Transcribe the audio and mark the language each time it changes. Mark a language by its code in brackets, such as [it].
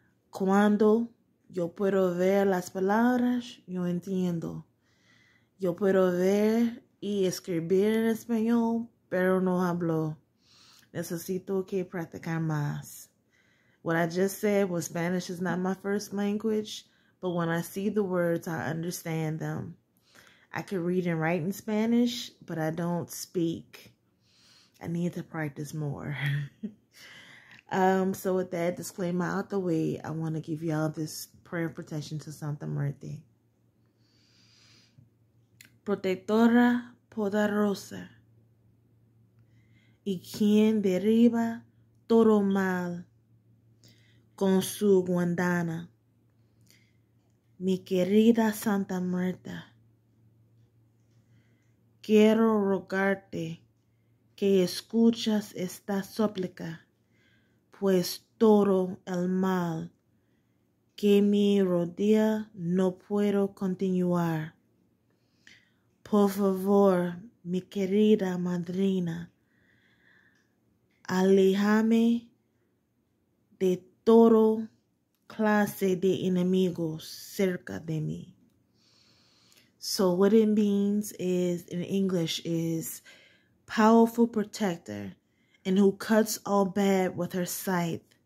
[es] Cuando yo puedo ver las palabras, yo entiendo. Yo puedo ver y escribir en español, pero no hablo. Necesito que practicar más. [en] What I just said was Spanish is not my first language, but when I see the words, I understand them. I can read and write in Spanish, but I don't speak. I need to practice more. So with that disclaimer out the way, I want to give y'all this prayer protection to Santa Muerte. [es] Protectora poderosa, y quien derriba todo mal con su guadaña, mi querida Santa Muerte, quiero rogarte que escuches esta súplica. Pues todo el mal que me rodea no puedo continuar. Por favor, mi querida madrina, aléjame de todo clase de enemigos cerca de mí. [en] So what it means is, in English, is powerful protector, and who cuts all bad with her scythe.